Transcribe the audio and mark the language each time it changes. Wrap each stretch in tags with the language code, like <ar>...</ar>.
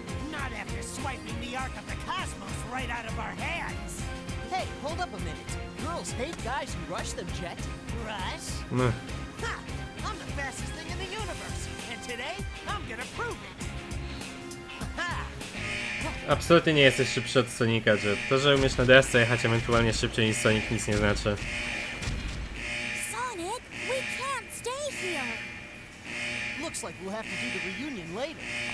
<en>Not after swiping the Ark of the Cosmos right out of our hands. Hey, hold up a minute. Girls hate guys who rush them, Jet. Rush? Meh. Ha! I'm the fastest thing in the universe. And today, I'm gonna prove it.</en> <pl>Absolutnie nie jesteś szybszy od Sonika, że to, że umiesz na desce jechać ewentualnie szybciej niż Sonic, nic nie znaczy.</pl> <en>Sonic, we can't stay here. Looks like we'll have to do the reunion later.</en>